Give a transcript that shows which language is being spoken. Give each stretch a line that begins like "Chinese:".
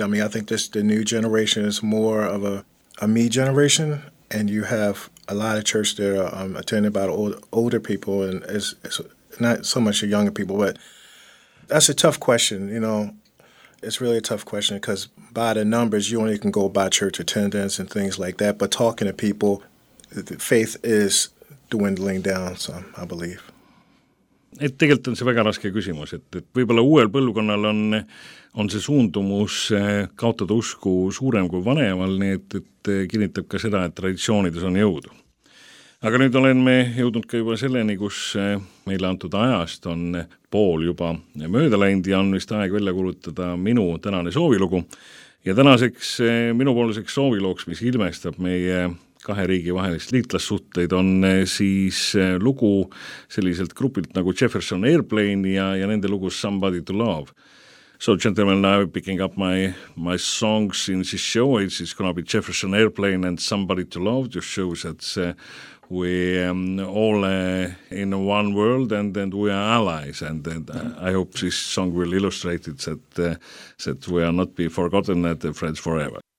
English: I mean, I think just the new generation is more of a me generation, and you have a lot of church that are attending about older people, and it's not so much the younger people, but that's a tough question, you know. It's really a tough question because by the numbers, you only can go by church attendance and things like that, but talking to people, the faith is dwindling down some, I believe.
Estonian: Et tegelikult on see väga raske küsimus, et võibolla uuel põlvkonnal on see suundumus kaotada usku suurem kui vanemal, nii et kinnitab ka seda, et traditsioonides on jõudu. Aga nüüd olen me jõudnud ka juba selleni, kus meile antud ajast on pool juba mööda läinud ja on vist aeg välja kuulutada minu tänane soovilugu. Ja tänaseks minu pooliseks sooviloks, mis ilmestab meie kahe riigi vahelist liitlassuhteid on siis lugu selliselt grupilt nagu Jefferson Airplane ja nende lugus Somebody to Love.
English: So gentlemen, I'm picking up my songs in this show. It's gonna be Jefferson Airplane and Somebody to Love. Just shows that we all in one world and we are allies. And I hope this song will illustrate it that we are not be forgotten that the friends forever.